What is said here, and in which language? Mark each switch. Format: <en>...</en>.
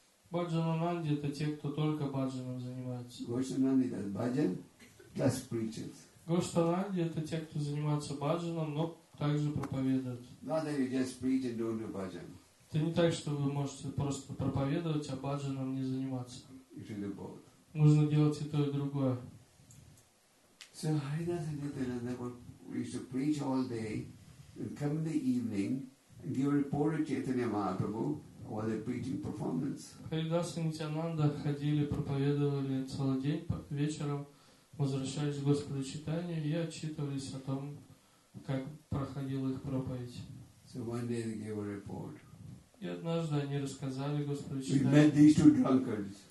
<ru>Баджхананди это те, кто только баджаном занимается. Гоштхананди это те, кто занимается баджаном, но также проповедуют. Это не так, что вы можете просто проповедовать, а баджаном не заниматься. Нужно делать и то, и другое.</ru> <en>So Харидас и Нитянанда used to preach all day and come in the evening and give a report to Chaitanya Mahaprabhu while they're preaching performance.</en> <ru>Харидас и Нитянанда ходили, проповедовали целый день, вечером возвращались к Господу Читания и отчитывались о том, как проходила их проповедь.</ru> <en>So one day they gave a report.</en> <ru>И однажды они рассказали Господу</ru> <en>Читания. We met these two drunkards.</en>